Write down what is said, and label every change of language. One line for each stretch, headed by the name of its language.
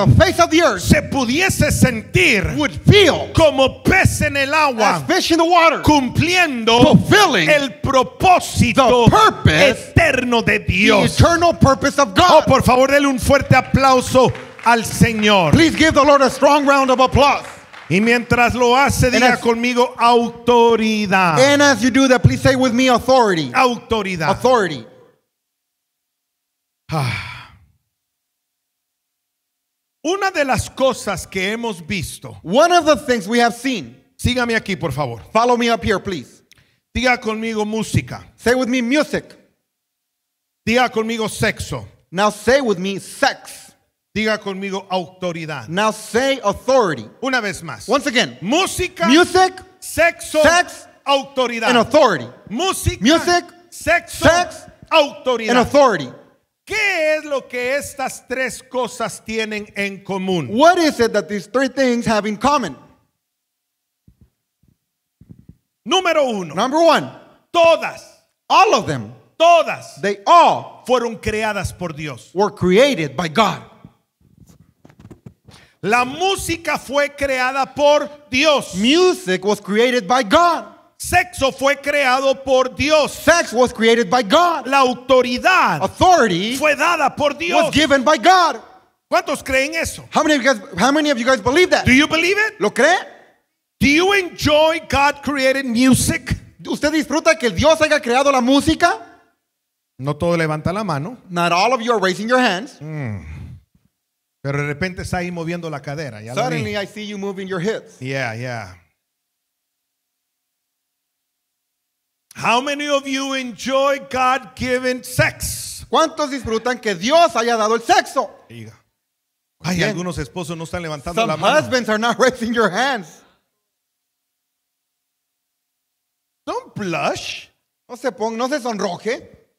English: Over the face of the earth.
Spanish: Se pudiese sentir.
English: Would feel.
Spanish: Como pez en el agua.
English: As fish in the water.
Spanish: Cumpliendo.
English: Fulfilling.
Spanish: El propósito.
English: The purpose.
Spanish: Eterno de Dios.
English: The eternal purpose of God.
Spanish: Oh, por favor, dele un fuerte aplauso al Señor.
English: Please give the Lord a strong round of applause.
Spanish: Y mientras lo hace, diga conmigo autoridad.
English: And as you do that, please say with me authority.
Spanish: Autoridad.
English: Authority.
Spanish: Una de las cosas que hemos visto.
English: One of the things we have seen.
Spanish: Sígame aquí, por favor.
English: Follow me up here, please.
Spanish: Diga conmigo música.
English: Say with me music.
Spanish: Diga conmigo sexo.
English: Now say with me sex.
Spanish: Diga conmigo autoridad.
English: Now say authority.
Spanish: Una vez más.
English: Once again.
Spanish: Música.
English: Music.
Spanish: Sexo.
English: Sex.
Spanish: Autoridad.
English: And authority.
Spanish: Música.
English: Music.
Spanish: Sexo.
English: Sex.
Spanish: Autoridad.
English: And authority.
Spanish: ¿Qué es lo que estas tres cosas tienen en común?
English: What is it that these three things have in common?
Spanish: Número uno.
English: Number one.
Spanish: Todas.
English: All of them.
Spanish: Todas.
English: They all.
Spanish: Fueron creadas por Dios.
English: Were created by God.
Spanish: La música fue creada por Dios.
English: Music was created by God.
Spanish: Sexo fue creado por Dios.
English: Sex was created by God.
Spanish: La autoridad.
English: Authority.
Spanish: Fue dada por Dios.
English: Was given by God.
Spanish: ¿Cuántos creen eso?
English: How many of you guys believe that? Do you believe it?
Spanish: ¿Lo creen?
English: Do you enjoy God created music?
Spanish: ¿Usted disfruta que Dios haya creado la música? No todo levanta la mano.
English: Not all of you are raising your hands.
Spanish: Pero de repente está ahí moviendo la cadera. Ya
English: suddenly I see you moving your hips. Yeah, yeah. How many of you enjoy God-given sex?
Spanish: ¿Cuántos disfrutan que Dios haya dado el sexo? Ay, algunos esposos no están levantando
English: some
Spanish: la mano.
English: Some husbands are not raising your hands. Don't blush.
Spanish: No se sonroje.